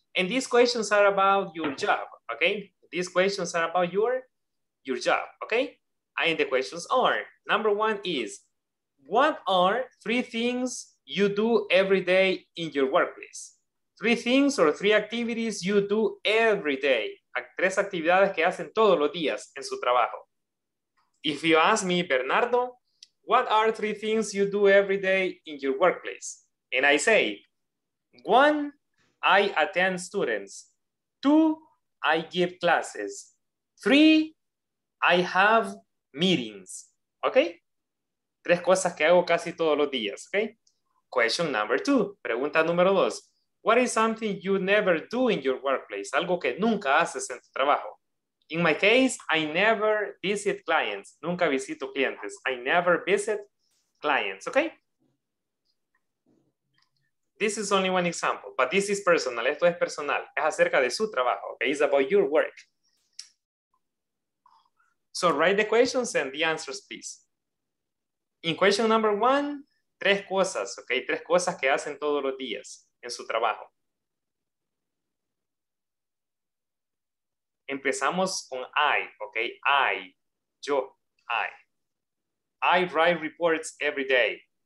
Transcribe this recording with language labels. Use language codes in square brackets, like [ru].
[en] And these questions are about your job, ¿ok? These questions are about your job, okay? And the questions are, number one is, what are three things you do every day in your workplace? Three things or three activities you do every day. [es] Tres actividades que hacen todos los días en su trabajo. [en] If you ask me, Bernardo, what are three things you do every day in your workplace? And I say, one, I attend students. Two, I give classes. Three, I have meetings, okay? [es] Tres cosas que hago casi todos los días, okay? [en] Question number two, [es] pregunta número dos. [en] What is something you never do in your workplace? [es] Algo que nunca haces en tu trabajo. [en] In my case, I never visit clients. [es] Nunca visito clientes. [en] I never visit clients, okay? This is only one example, but this is personal. [es] Esto es personal. Es acerca de su trabajo, [en] okay? It's about your work. So write the questions and the answers, please. In question number one, [es] tres cosas, [en] okay? [es] Tres cosas que hacen todos los días en su trabajo. Empezamos con [en] I, okay? I. I write reports every day.